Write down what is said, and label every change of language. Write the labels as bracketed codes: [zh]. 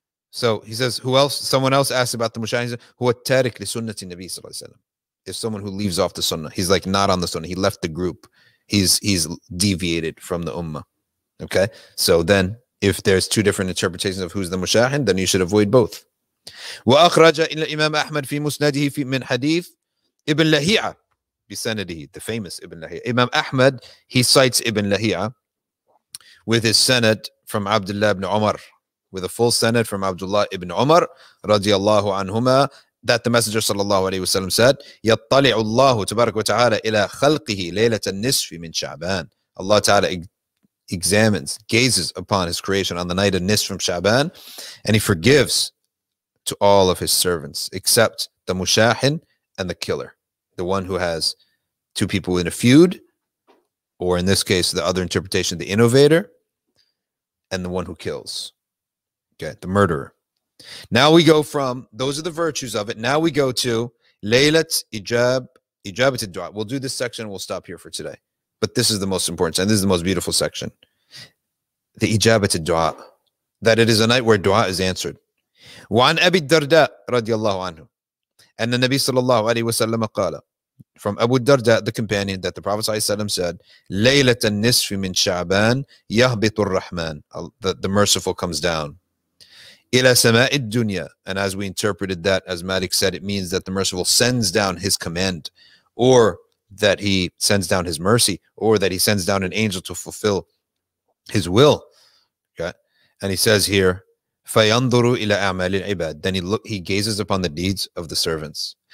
[en] So he says, who else? Someone else asked about the mushahin. [ar] Huwa at-tarik li sunnati Nabi sallallahu alaihi wasallam. [en] If someone who leaves off the sunnah, he's like not on the sunnah, he left the group, he's deviated from the ummah. Okay, so then if there's two different interpretations of who's the mushahin, then you should avoid both. [ar] وَأَخْرَجَ إِلَى إِمَامَ أَحْمَدَ فِي مُسْنَدِهِ فِي مِنْ حَدِيثِ إِبْنِ لَهِيَعَ بِسَنَدِهِ, [en] the famous Ibn Lahiya. Imam Ahmad, he cites Ibn Lahiya with his sanad from Abdullah ibn Umar, with a full sanad from Abdullah ibn Umar radiallahu anhuma, that the Messenger sallallahu alayhi wasallam said, [ar] يَطَّلِعُ اللَّهُ تَبَارَكُ وَتَعَالَى إِلَى خَلْقِهِ لَيْلَةَ النِّسْفِ مِنْ شَعْبَانَ. [en] Allah Ta'ala examines, gazes upon his creation on the night of Nisf from Sha'ban, and he forgives to all of his servants except the mushahin and the killer, the one who has two people in a feud, or in this case the other interpretation, the innovator, and the one who kills, okay, the murderer. Now we go from, those are the virtues of it, now we go to Laylat Ijab, Ijabat al-Dua. We'll do this section and we'll stop here for today, but this is the most important and this is the most beautiful section, the Ijabat al-Dua, that it is a night where dua is answered. [ar] وعن أبي الدرداء رضي الله عنه أن النبي صلى الله عليه وسلم قال, [en] from Abu Darda, the companion, that the Prophet صلى الله عليه وسلم said, [ar] ليلة النصف من شعبان يهبط الرحمن, [en] the merciful comes down, [ar] إلى سماء الدنيا. [en] And as we interpreted that, as Malik said, it means that the merciful sends down his command, or that he sends down his mercy, or that he sends down an angel to fulfill his will. Okay. And he says here, [ar] فَيَنْظُرُ إِلَىٰ أَعْمَالِ الْعِبَادِ, [en] then he gazes upon the deeds of the servants.